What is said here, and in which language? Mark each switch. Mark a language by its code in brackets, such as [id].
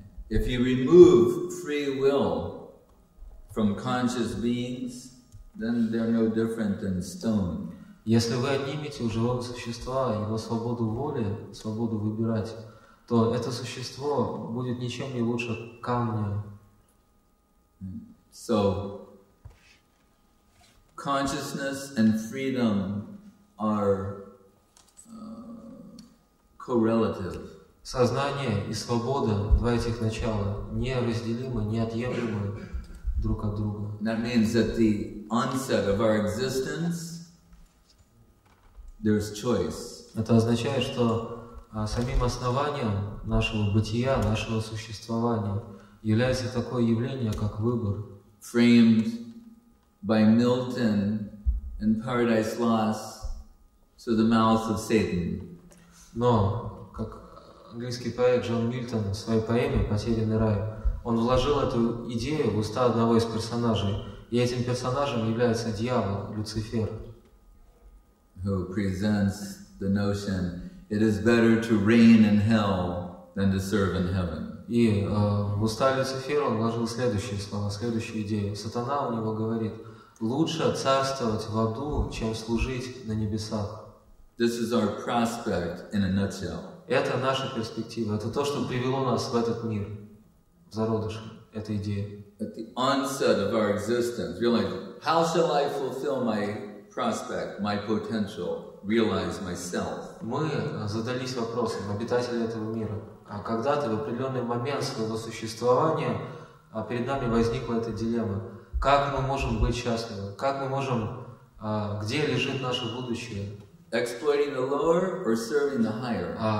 [en] If you remove free will from conscious beings, then they're no different than stone. [ru] Если вы отнимете у живого существа его свободу воли, свободу выбирать, то это существо будет ничем не лучше камня. [en] So, consciousness and freedom are correlative. [ru] Сознание и свобода, два этих начала, неразделимы, неотъемлемы друг от друга. [en] That means that the onset of our existence, there's choice. [ru] Это означает, что самим основанием нашего бытия, нашего существования, является такое явление, как выбор. [en] Framed by Milton in Paradise Lost through the mouth of Satan. [ru] Но, как английский поэт Джон Мильтон в своей поэме «Потерянный рай», он вложил эту идею в уста одного из персонажей, и этим персонажем является дьявол, Люцифер. [en] Who presents the notion, it is better to reign in hell than to serve in heaven. [ru] И в уста Люцифера он вложил следующие слова, следующую идею. Сатана у него говорит, лучше царствовать в аду, чем служить на небесах. [en] This is our prospect in a nutshell. [ru] Это наша перспектива, это то, что привело нас в этот мир, в зародыш этой идеи. [en] At the onset of our existence, you're like, how shall I fulfill my prospect, my potential, realize myself? [ru] Мы задались вопросом, обитатели этого мира, а когда-то в определенный момент своего существования перед нами возникла эта дилемма. Как мы можем быть счастливы? Как мы можем, где лежит наше будущее? [en] Exploiting the lower or serving the higher?